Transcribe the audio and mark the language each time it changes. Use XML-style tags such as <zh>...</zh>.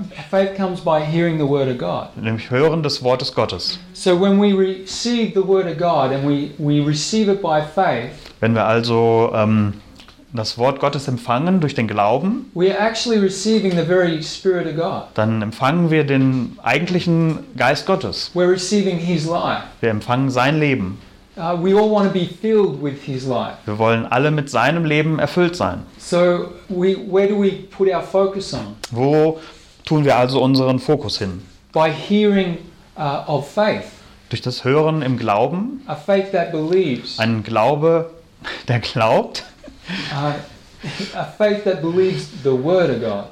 <en>Faith comes by hearing the word of God.</en> <de>Nämlich Hören des Wortes Gottes.</de> <en>So when we receive the word of God and we receive it by faith.</en> <de>Wenn wir also das Wort Gottes empfangen durch den Glauben,</de> <en>we are actually receiving the very Spirit of God.</en> <de>Dann empfangen wir den eigentlichen Geist Gottes.</de> <en>We're receiving his life.</en> <de>Wir empfangen sein Leben.</de> <en>We all want to be filled with his life.</en> <de>Wir wollen alle mit seinem Leben erfüllt sein.</de> <en>So where do we put our focus on?</en> <de>Wo tun wir also unseren Fokus hin?</de> <en>By hearing of faith.</en> <de>Durch das Hören im Glauben.</de> <en>A faith that believes.</en> <de>Ein Glaube, der glaubt.</de> <en>A faith that believes the word of God.</en>